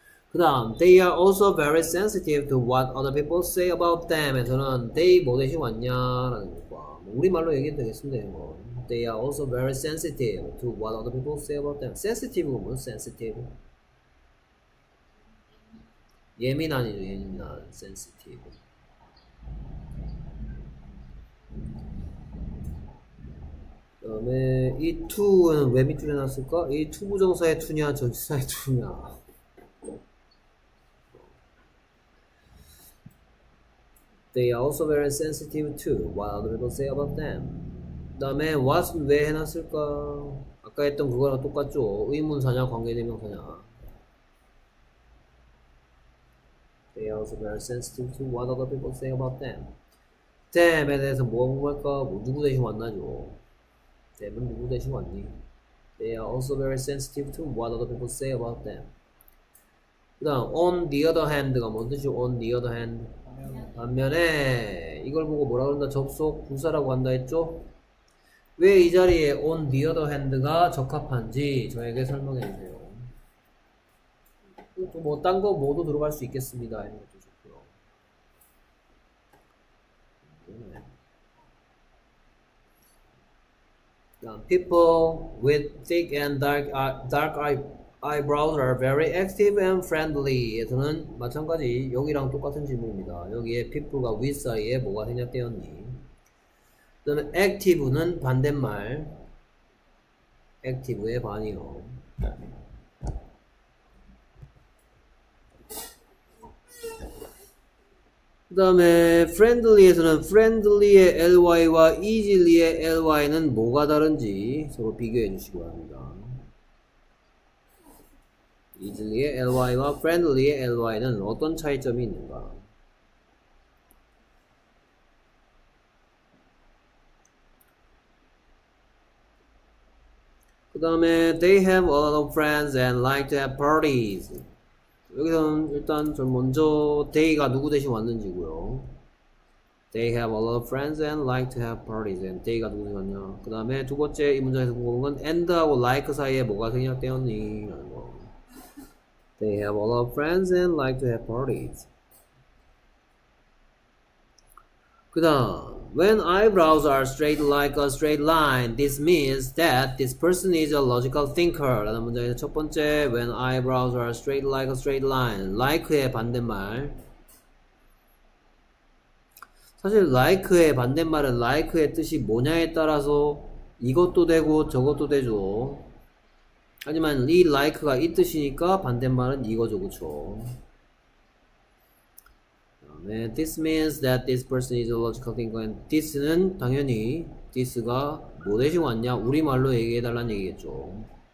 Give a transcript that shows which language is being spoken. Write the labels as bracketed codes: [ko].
[ko] 그 다음, [en] They are also very sensitive to what other people say about them. [ko] 에서는 They 뭐 대신 왔냐라는 것과 우리말로 얘기해도 되겠습니다. [en] They are also very sensitive to what other people say about them. Sensitive [ko] 뭐 [en] sensitive? [ko] 예민한이죠, 예민한. Sensitive. 그 다음에 이 to는 왜 밑줄에 놨을까? 이 to 부정사의 to냐 전치사의 to냐. [en] They are also very sensitive to what other people say about them. [ko] 그 다음에 what 왜 해놨을까? 아까 했던 그거랑 똑같죠? 의문사냐 관계대명사냐. [en] They are also very sensitive to what other people say about them. [ko] them에 대해서 뭐 물어볼까? 뭐 누구 대신 만나죠? 대부분 누구 대신 왔니? [en] They are also very sensitive to what other people say about them. [ko] 그다음 on the other hand가 뭔 뜻이죠? On the other hand 반면에 이걸 보고 뭐라 그런다? 접속 부사라고 한다 했죠? 왜이 자리에 on the other hand가 적합한지 저에게 설명해 주세요. 또뭐딴거 모두 들어갈 수 있겠습니다. 이런 것도 좋고요. [en] People with thick and dark eyebrows are very active and friendly. [ko] 에서는 마찬가지 여기랑 똑같은 질문입니다. 여기에 people가 with 사이에 뭐가 생략되었니? 그다음에 active는 반대말. active의 반이요. 그다음에 friendly에서는 friendly의 ly와 easily의 ly는 뭐가 다른지 서로 비교해 주시기 바랍니다. easily의 ly와 friendly의 ly는 어떤 차이점이 있는가? 그다음에 [en] they have a lot of friends and like to have parties. [ko] 여기서는 일단 좀 먼저 they가 누구 대신 왔는지고요. [en] They have a lot of friends and like to have parties. [ko] And they가 누구 대신 왔냐? 그 다음에 두 번째 이 문장에서 궁금한 건 and하고 like 사이에 뭐가 생략되었니? 라는 거. [en] They have a lot of friends and like to have parties. [ko] 그 다음, [en] when eyebrows are straight like a straight line, this means that this person is a logical thinker. [ko] 라는 문장에서 첫 번째, [en] when eyebrows are straight like a straight line, [ko] like의 반대말. 사실 like의 반대말은 like의 뜻이 뭐냐에 따라서 이것도 되고 저것도 되죠. 하지만 이 like가 이 뜻이니까 반대말은 이거죠, 그쵸? [en] This means that this person is a logical thinker. [ko] This는 당연히 this가 뭐 대신 왔냐? 우리말로 얘기해달라는 얘기겠죠.